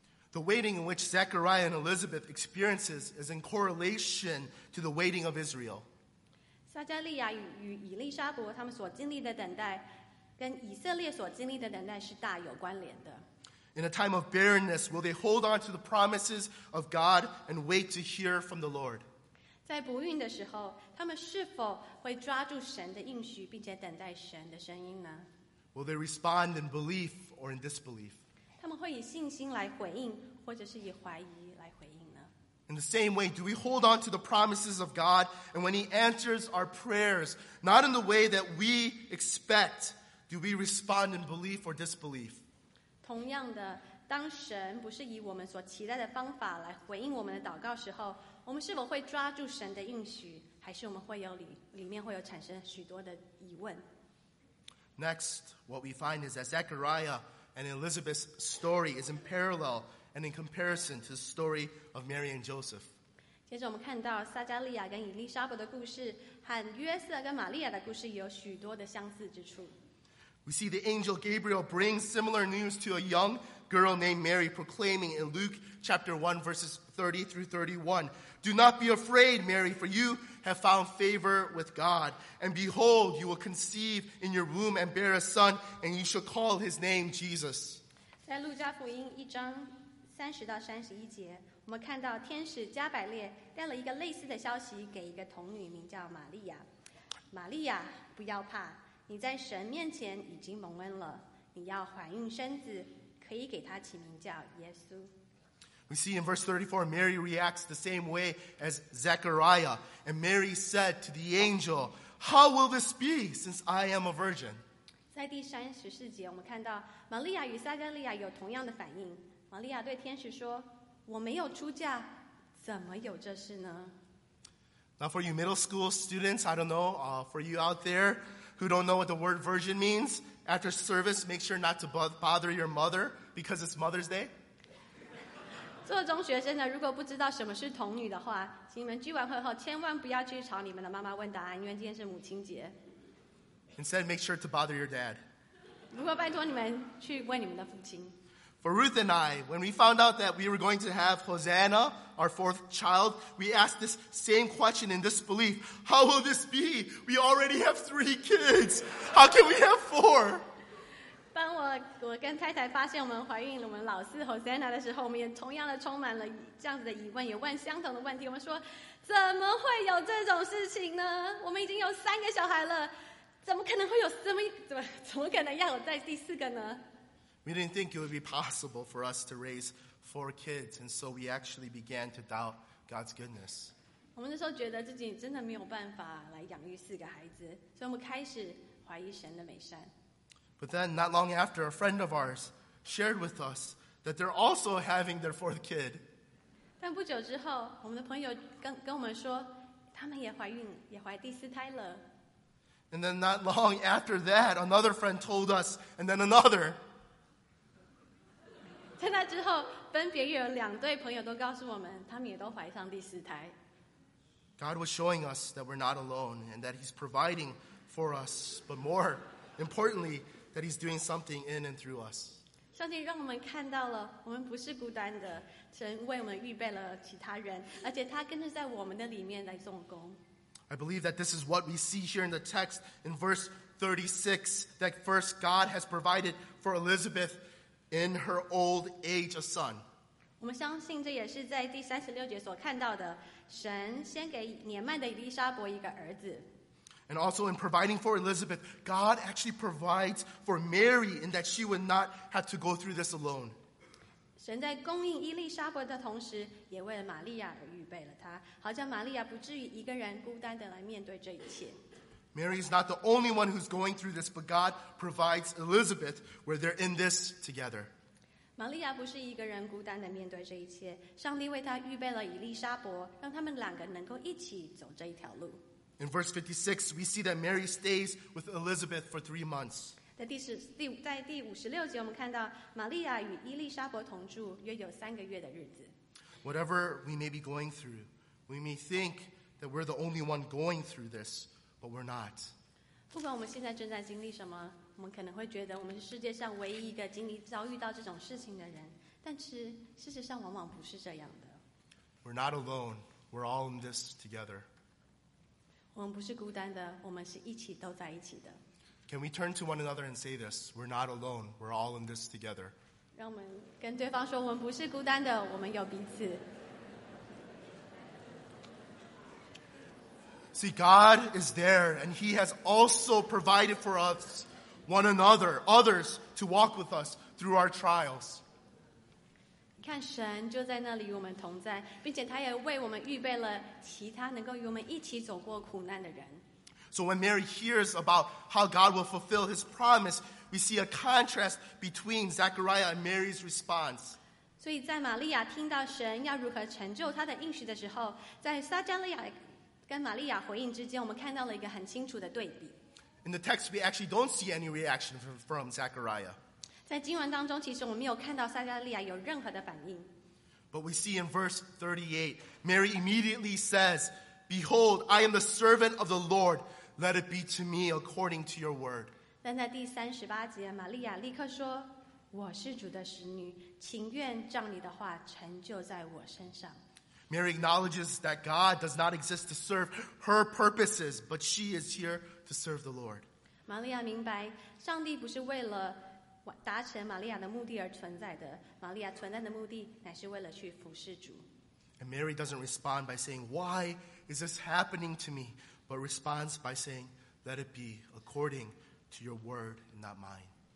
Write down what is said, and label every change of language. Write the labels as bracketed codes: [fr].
[en] The waiting in which Zechariah and Elizabeth experiences is in correlation to the waiting of Israel. [zh] 撒加利亚与以利沙伯他们所经历的等待跟以色列所经历的等待是大有关联的。 [en] In a time of barrenness, will they hold on to the promises of God and wait to hear from the Lord? [zh] 在不孕的时候，他们是否会抓住神的应许并且等待神的声音呢？ [en] Will they respond in belief or in disbelief? [zh] 他们会以信心来回应或者是以怀疑来回应。 [en] In the same way, do we hold on to the promises of God and when he answers our prayers, not in the way that we expect, do we respond in belief or disbelief? [zh] 同样的，当神不是以我们所期待的方法来回应我们的祷告时候，我们是否会抓住神的应许，还是我们会有里面会有产生许多的疑问？ [en] Next, what we find is that Zechariah and Elizabeth's story is in parallel and in comparison to the story of Mary and Joseph. [zh] 接着我们看到撒加利亚跟以利沙伯的故事和约瑟跟玛利亚的故事有许多的相似之处。 [en] We see the angel Gabriel brings similar news to a young girl named Mary, proclaiming in Luke chapter 1 verses 30 through 31, Do not be afraid, Mary, for you have found favor with God. And behold, you will conceive in your womb and bear a son, and you shall call his name Jesus. [zh] 在路加福音一章三十到三十一节，我们看到天使加百列带了一个类似的消息给一个童女，名叫玛利亚。玛利亚，不要怕，你在神面前已经蒙恩了。你要怀孕生子，可以给他起名叫耶稣。 [en] We see in verse 34, Mary reacts the same way as Zechariah, and Mary said to the angel, "How will this be, since I am a virgin?" [zh] 在第三十四节，我们看到玛利亚与撒加利亚有同样的反应。玛利亚对天使说：“我没有出嫁，怎么有这事呢？” [en] Now for you middle school students, I don't know, for you out there who don't know what the word virgin means, after service, make sure not to bother your mother because it's Mother's Day. [zh] 做中学生的，如果不知道什么是童女的话，请你们聚完会后千万不要去吵你们的妈妈问答案，因为今天是母亲节。 [en] Instead, make sure to bother your dad. [zh] 如果拜托你们去问你们的父亲。 [en] For Ruth and I, when we found out that we were going to have Hosanna, our fourth child, we asked this same question in disbelief. How will this be? We already have three kids. How can we have four? [zh] 当我跟太太发现我们怀孕了我们老四 Hosanna 的时候，我们也同样的充满了这样子的疑问，也问相同的问题。我们说，怎么会有这种事情呢？我们已经有三个小孩了，怎么可能会有这么怎么可能要有再第四个呢？ [en] We didn't think it would be possible for us to raise four kids, and so we actually began to doubt God's goodness. [zh] 我们那时候觉得自己真的没有办法来养育四个孩子，所以我们开始怀疑神的美善。 [en] But then, not long after, a friend of ours shared with us that they're also having their fourth kid. [zh] 但不久之后，我们的朋友跟我们说，他们也怀第四胎了。 [en] And then, not long after that, another friend told us, and then another. [zh] 在那之后，分别有两对朋友都告诉我们，他们也都怀上第四胎。 [en] God was showing us that we're not alone and that He's providing for us, but more importantly, that He's doing something in and through us. [zh] 上帝让我们看到了，我们不是孤单的，神为我们预备了其他人，而且他更是在我们的里面来动工。 [en] I believe that this is what we see here in the text in verse 36, that first God has provided for Elizabeth. In her old age, a son. [zh] 我们相信这也是在第三十六节所看到的，神先给年迈的以利沙伯一个儿子。 [en] And also in providing for Elizabeth, God actually provides for Mary in that she would not have to go through this alone. [zh] 神在供应以利沙伯的同时，也为了玛利亚而预备了她，好叫玛利亚不至于一个人孤单的来面对这一切。 [en] Mary is not the only one who's going through this, but God provides Elizabeth where they're in this together. [zh] 玛利亚不是一个人孤单地面对这一切，上帝为她预备了以利沙伯，让他们两个能够一起走这一条路。 [en] In verse 56, we see that Mary stays with Elizabeth for 3 months. [zh] 在第五十六节，我们看到玛利亚与以利沙伯同住约有三个月的日子。 [en] Whatever we may be going through, we may think that we're the only one going through this. But we're not. [zh] 不管我们现在正在经历什么，我们可能会觉得我们是世界上唯一一个经历遭遇到这种事情的人，但是事实上往往不是这样的。 [en] We're not alone. We're all in this together. [zh] 我们不是孤单的，我们是一起都在一起的。 [en] Can we turn to one another and say this? We're not alone. We're all in this together. [zh] 让我们跟对方说，我们不是孤单的，我们有彼此。 [en] See, God is there, and He has also provided for us, one another, others, to walk with us through our trials. [zh] 看神就在那里与我们同在，并且他也为我们预备了其他能够与我们一起走过苦难的人。 [en] So when Mary hears about how God will fulfill His promise, we see a contrast between Zechariah and Mary's response. [zh] 所以在玛利亚听到神要如何成就他的应许的时候，在撒加利亚。跟玛利亚回应之间，我们看到了一个很清楚的对比。 [en] In the text, we actually don't see any reaction from Zechariah. [zh] 在经文当中，其实我们没有看到撒加利亚有任何的反应。 [en] But we see in verse 38, Mary immediately says, "Behold, I am the servant of the Lord. Let it be to me according to your word." [zh] 但在第三十八节，玛利亚立刻说，我是主的使女，情愿照你的话成就在我身上。 [en] Mary acknowledges that God does not exist to serve her purposes, but she is here to serve the Lord. [zh] 玛利亚明白，上帝不是为了达成玛利亚的目的而存在的。玛利亚存在的目的乃是为了去服侍主。 [en] And Mary doesn't respond by saying, "Why is this happening to me?" but responds by saying, "Let it be according to your word, not mine."